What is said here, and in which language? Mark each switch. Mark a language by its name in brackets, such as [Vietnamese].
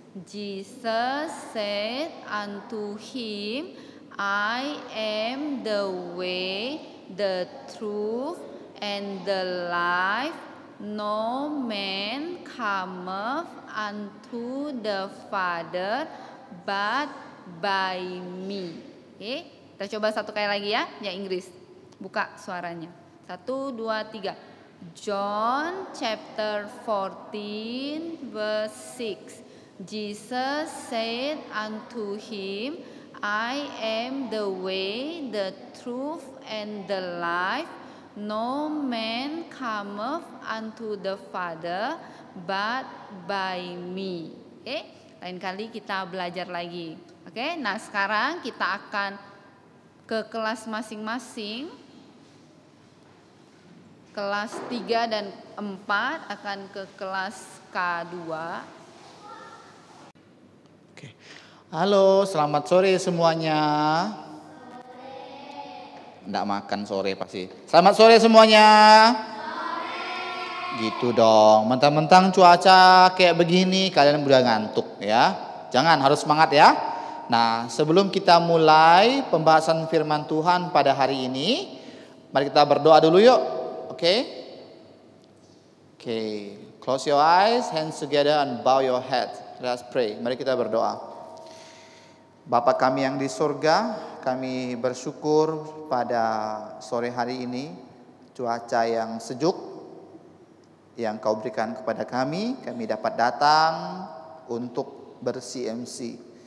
[English] Jesus said unto him, I am the way, the truth, and the life. No man cometh unto the Father but by me. [Indonesian] Oke, kita coba satu kali lagi ya, yang Inggris. Buka suaranya. 1, 2, 3. [English] John chapter 14 verse 6. Jesus said unto him, I am the way, the truth, and the life. No man cometh unto the Father but by me. Okay? [Indonesian] Lain kali kita belajar lagi. Oke, nah sekarang kita akan ke kelas masing-masing. Kelas 3 dan 4 akan ke kelas K2. Oke. Halo, selamat sore semuanya. Enggak makan sore pasti. Selamat sore semuanya. Sore. Gitu dong. Mentang-mentang cuaca kayak begini kalian udah ngantuk ya. Jangan, harus semangat ya. Nah, sebelum kita mulai pembahasan firman Tuhan pada hari ini, mari kita berdoa dulu yuk. [English] Oke. Okay. Okay. Close your eyes, hands together and bow your head. Let's pray. [Indonesian] Mari kita berdoa. Bapa kami yang di surga, kami bersyukur pada sore hari ini, cuaca yang sejuk yang Kau berikan kepada kami, kami dapat datang untuk ber-CMC.